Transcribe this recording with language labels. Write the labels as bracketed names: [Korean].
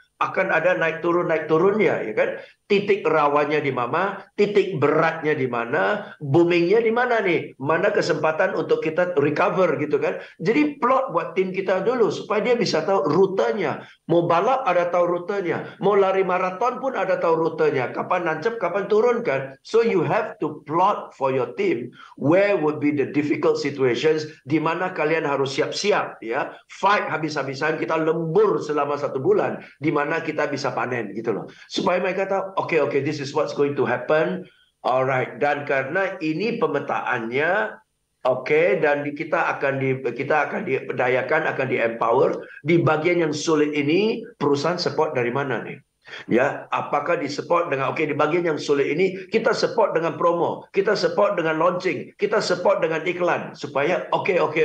[Indonesian] akan ada naik turunnya, ya kan? Titik rawannya di mana, titik beratnya di mana, boomingnya di mana nih? Mana kesempatan untuk kita recover gitu kan? Jadi plot buat tim kita dulu supaya dia bisa tahu rutenya. Mau balap ada tahu rutenya, mau lari maraton pun ada tahu rutenya. Kapan nancep, kapan turun kan? [English] So you have to plot for your team where would be the difficult situations, [Indonesian] di mana kalian harus siap-siap ya. Fight habis-habisan, kita lembur selama satu bulan, di mana kita bisa panen gitu loh. Supaya mereka tahu, [English] okay, this is what's going to happen. [Indonesian] Alright, dan karena ini pemetaannya, okay, dan kita akan diberdayakan, akan diempower di bagian yang sulit ini, perusahaan support dari mana nih? Ya, apakah di support dengan okay, di bagian yang sulit ini kita support dengan promo, kita support dengan launching, kita support dengan iklan supaya okay.